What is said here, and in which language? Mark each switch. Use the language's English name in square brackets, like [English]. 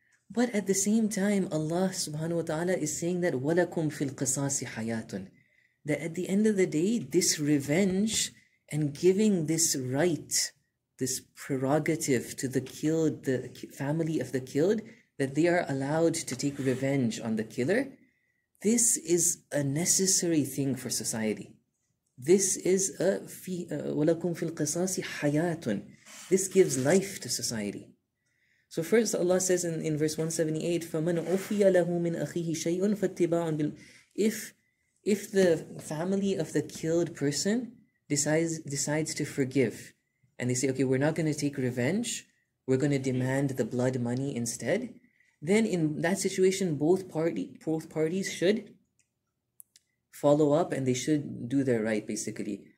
[English] But at the same time, Allah subhanahu wa ta'ala is saying that [Arabic] وَلَكُمْ فِي الْقِصَاصِ حَيَاتٌ, [English] that at the end of the day, this revenge and giving this right, this prerogative to the killed, the family of the killed, that they are allowed to take revenge on the killer, this is a necessary thing for society. This is a [Arabic] وَلَكُمْ فِي الْقِصَاصِ حَيَاتٌ. [English] This gives life to society. So first Allah says in verse 178, [Arabic] فَمَنْ أُفِيَ لَهُ مِنْ أَخِيهِ شَيْءٌ فَاتِّبَاعٌ بِالْ [English] If the family of the killed person decides to forgive, and they say, okay, we're not going to take revenge, we're going to demand the blood money instead, then in that situation, both parties should follow up and they should do their right, basically.